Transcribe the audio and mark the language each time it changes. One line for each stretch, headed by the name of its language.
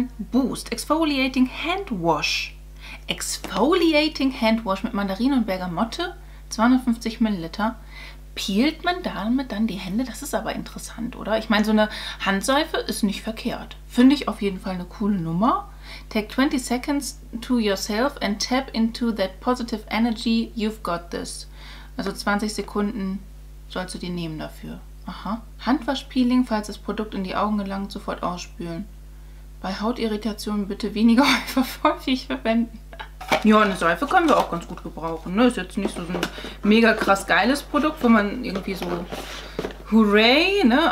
English: Boost Exfoliating Hand Wash. Exfoliating Hand Wash mit Mandarin und Bergamotte.
German: 250 Milliliter. Peelt man damit dann die Hände? Das ist aber interessant, oder? Ich meine, so eine Handseife ist nicht verkehrt. Finde ich auf jeden Fall eine coole Nummer.
English: Take 20 seconds to yourself and tap into that positive energy. You've got this.
German: Also 20 Sekunden sollst du dir nehmen dafür. Aha. Handwaschpeeling, falls das Produkt in die Augen gelangt, sofort ausspülen. Bei Hautirritationen bitte weniger häufig verwenden. Ja, eine Seife können wir auch ganz gut gebrauchen. Ne? Ist jetzt nicht so ein mega krass geiles Produkt, wo man irgendwie so hurray, ne?